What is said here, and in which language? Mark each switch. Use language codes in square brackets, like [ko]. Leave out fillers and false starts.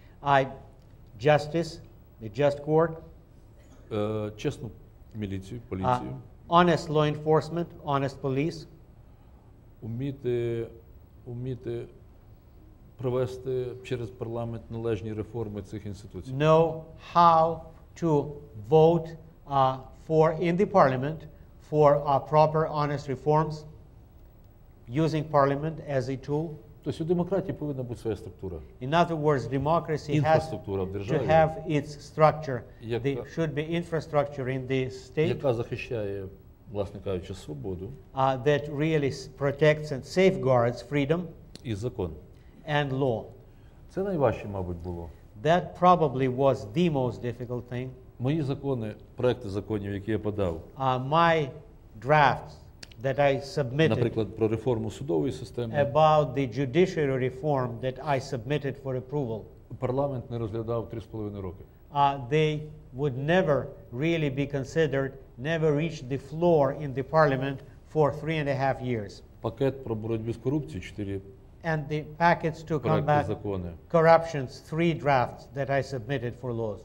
[en] I justice, the just court. [uk] Чесну міліцію, поліцію. [en] Honest law enforcement, honest police. [uk] Уміти провести через парламент належні реформи цих інституцій. [en] Know how to vote for in the parliament for proper honest reforms using parliament as a tool. [uk] Тобто у демократії повинна бути своя структура. [en] In other words, democracy has to have its structure. There should be infrastructure in the state. [uk] Яка захищає, власне кажучи, свободу. [en] That really protects and safeguards freedom. [uk] І закон. [en] And law. [uk] Це найважче, мабуть, було. [en] That probably was the most difficult thing. [uk] Мої закони, проекти законів, які я подав. [en] My drafts that I submitted. [uk] Наприклад, про реформу судової системи. [en] About the judiciary reform that I submitted for approval. [uk] Парламент не розглядав 3.5 роки. [en] They would never really be considered, never reached the floor in the parliament for 3.5 years. [uk] Пакет про боротьбу з корупцією 4. [en] And the packets to combat corruptions, 3 drafts that I submitted for laws.